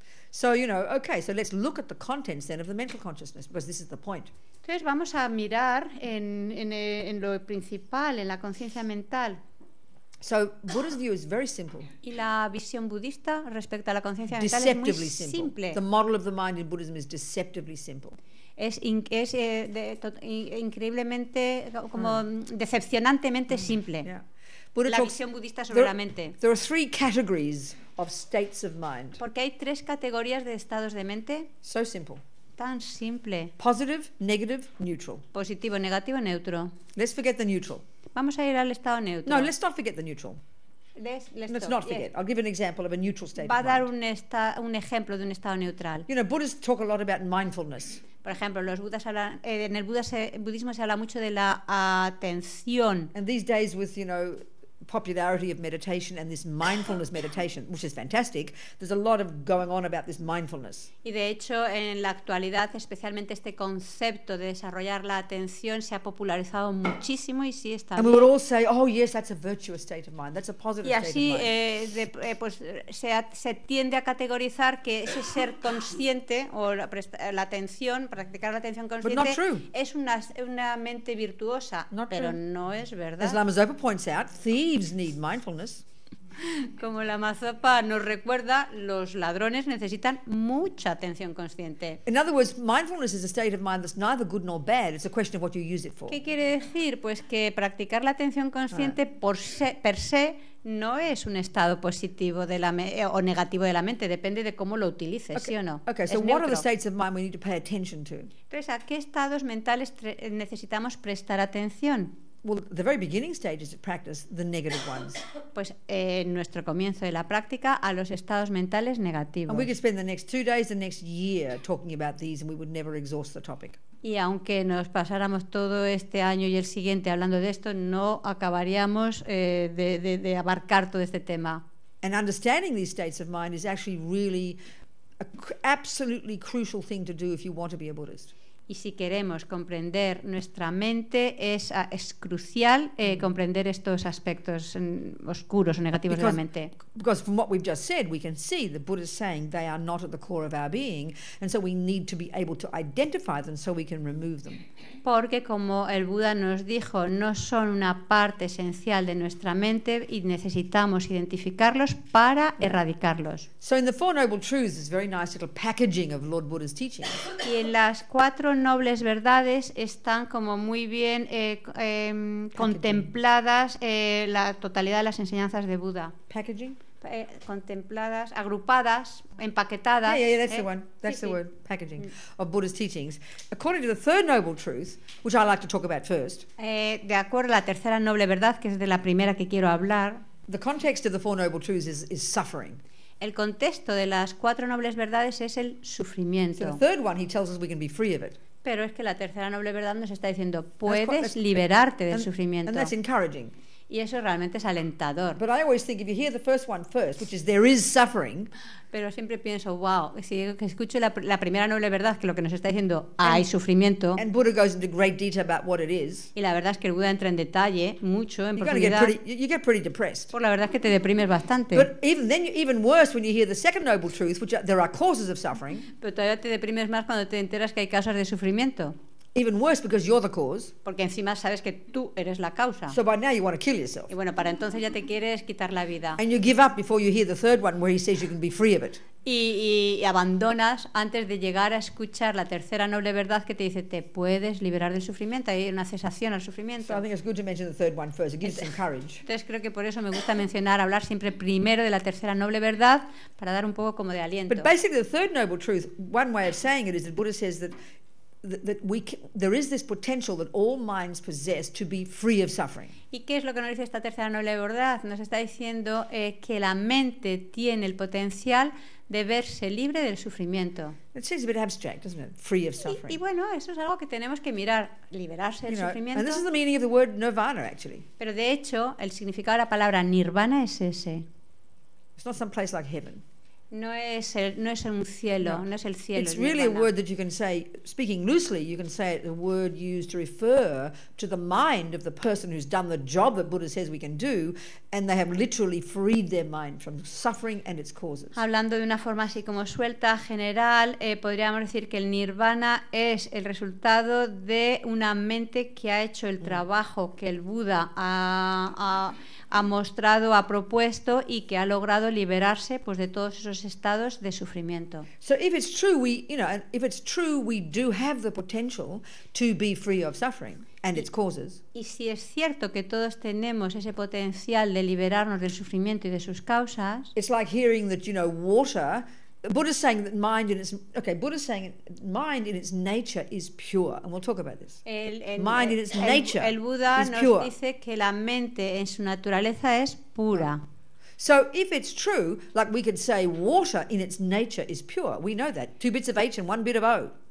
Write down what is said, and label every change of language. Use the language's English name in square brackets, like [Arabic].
[English] So, you know, okay, so let's look at the contents then of the mental consciousness, because this is the point. [Spanish] Entonces vamos a mirar en lo principal, en la conciencia mental. [English] So Buddha's view is very simple. [Spanish] Y la visión budista respecto a la conciencia mental [English] deceptively [Spanish] es muy simple. [English] The model of the mind in Buddhism is deceptively simple. [Spanish] Es increíblemente como decepcionantemente simple. [English] Yeah. Buddha talks, [Spanish] visión budista sobre la mente. [English] There are three categories of states of mind. [Spanish] Porque hay tres categorías de estados de mente. [English] So simple. [Spanish] Tan simple. [English] Positive, negative, neutral. [Spanish] Positivo, negativo, neutro. [English] Let's forget the neutral. [Spanish] Vamos a ir al estado neutro. [English] No, let's not forget the neutral. Let's not forget. I'll give an example of a neutral state. [Spanish] Va a dar un ejemplo de un estado neutral. [English] You know, Buddhists talk a lot about mindfulness. [Spanish] Por ejemplo, los budas hablan, en el Buda se, en budismo se habla mucho de la atención. [English] And these days with, you know, popularity of meditation and this mindfulness meditation, which is fantastic, there's a lot of going on about this mindfulness. [Spanish] Y de hecho, en la actualidad, especialmente este concepto de desarrollar la atención se ha popularizado muchísimo y sí está. [English] And we would all say, oh yes, that's a virtuous state of mind, that's a positive state of mind. [Spanish] Y así se tiende a categorizar que ese ser consciente o la atención, practicar la atención consciente, [English] but not true. [Spanish] Es una mente virtuosa, [English] not [Spanish] pero [English] true. [Spanish] No es verdad. [English] As Lamazopa points out, thieves need mindfulness. [Spanish] Como la Mazopa nos recuerda, los ladrones necesitan mucha atención consciente. [English] In other words, mindfulness is a state of mind that's neither good nor bad. It's a question of what you use it for. [Spanish] ¿Qué quiere decir? Pues que practicar la atención consciente per se no es un estado positivo de la o negativo de la mente, depende de cómo lo utilices, [English] okay. [Spanish] ¿Sí o no? [English] Okay, so [Spanish] es [English] what [Spanish] neutro. [English] Are the states of mind we need to pay attention to? [Spanish] Entonces, ¿a qué estados mentales necesitamos prestar atención? [English] Well, the very beginning stages of practice, the negative ones. [Spanish] Pues en nuestro comienzo de la práctica, a los estados mentales negativos. [English] And we could spend the next 2 days, the next year talking about these, and we would never exhaust the topic. [Spanish] Y aunque nos pasáramos todo este año y el siguiente hablando de esto, no acabaríamos de abarcar todo este tema. [English] And understanding these states of mind is actually really an absolutely crucial thing to do if you want to be a Buddhist. [Spanish] Y si queremos comprender nuestra mente, es crucial comprender estos aspectos oscuros o negativos [English] because, [Spanish] de la mente. [English] Because from what we've just said, we can see the Buddha is saying they are not at the core of our being, and so we need to be able to identify them so we can remove them. [Spanish] Porque como el Buda nos dijo, no son una parte esencial de nuestra mente y necesitamos identificarlos para erradicarlos. [English] So in the Four Noble Truths, it's a very nice little packaging of Lord Buddha's teachings. [Spanish] Y en las cuatro nobles verdades están como muy bien contempladas la totalidad de las enseñanzas de Buda. [English] Packaging. [Spanish] Contempladas, agrupadas, empaquetadas. [English] Yeah, that's the one. That's [Spanish] sí, [English] the [Spanish] sí. [English] word. Packaging of Buddha's teachings. According to the third noble truth, which I like to talk about first. [Spanish] De acuerdo a la tercera noble verdad, que es de la primera que quiero hablar. [English] The context of the four noble truths is suffering. [Spanish] El contexto de las cuatro nobles verdades es el sufrimiento. [English] So the third one, he tells us we can be free of it. [Spanish] Pero es que la tercera noble verdad nos está diciendo puedes liberarte del sufrimiento. [English] And that's encouraging. [Spanish] Y eso realmente es alentador. [English] But I always think if you hear the first one first, which is there is suffering. [Spanish] Pero siempre pienso, wow, si escucho la primera noble verdad, que lo que nos está diciendo, hay sufrimiento. [English] And Buddha goes into great detail about what it is. [Spanish] Y la verdad es que el Buda entra en detalle mucho, en profundidad. [English] You get pretty depressed. [Spanish] Por la verdad es que te deprimes bastante. [English] But even then, even worse when you hear the second noble truth, which there are causes of suffering. [Spanish] Pero todavía te deprimes más cuando te enteras que hay causas de sufrimiento. [English] Even worse because you're the cause. [Spanish] Porque encima sabes que tú eres la causa. [English] So by now you want to kill yourself. [Spanish] Y bueno, para entonces ya te quieres quitar la vida. [English] And you give up before you hear the third one where he says you can be free of it. [Spanish] Y abandonas antes de llegar a escuchar la tercera noble verdad que te dice te puedes liberar del sufrimiento, hay una cesación al sufrimiento. [English] So I think it's good to mention the third one first. It gives encourage. [Spanish] Entonces creo que por eso me gusta mencionar, hablar siempre primero de la tercera noble verdad para dar un poco como de aliento. [English] But basically the third noble truth, one way of saying it is that Buddha says that there is this potential that all minds possess to be free of suffering. [Spanish] ¿Y qué es lo que nos dice esta tercera noble verdad? Nos está diciendo que la mente tiene el potencial de verse libre del sufrimiento. [English] It seems a bit abstract, doesn't it? Free of suffering. [Spanish] Y bueno, eso es algo que tenemos que mirar, liberarse del sufrimiento. [English] And this is the meaning of the word nirvana, actually. [Spanish] Pero de hecho, el significado de la palabra nirvana es ese. [English] It's not some place like heaven. [Spanish] No es el cielo. [English] It's really [Spanish] nirvana. [English] A word that you can say, speaking loosely, you can say it, a word used to refer to the mind of the person who's done the job that Buddha says we can do, and they have literally freed their mind from suffering and its causes. [Spanish] Hablando de una forma así como suelta, general, podríamos decir que el nirvana es el resultado de una mente que ha hecho el trabajo que el Buda ha mostrado, ha propuesto y que ha logrado liberarse pues de todos esos estados de sufrimiento. [English] So if it's true we, you know, if it's true we do have the potential to be free of suffering and its causes. [Spanish] Y si es cierto que todos tenemos ese potencial de liberarnos del sufrimiento y de sus causas. [English] It's like hearing that, you know, water. Buddha's saying that mind in its Buddha's saying mind in its nature is pure, and we'll talk about this. Mind in its nature [Spanish] el Buda [English] is pure. [Spanish] Nos dice que la mente en su naturaleza es pura. [English] So if it's true, like we could say, water in its nature is pure. We know that 2 bits of H and 1 bit of O.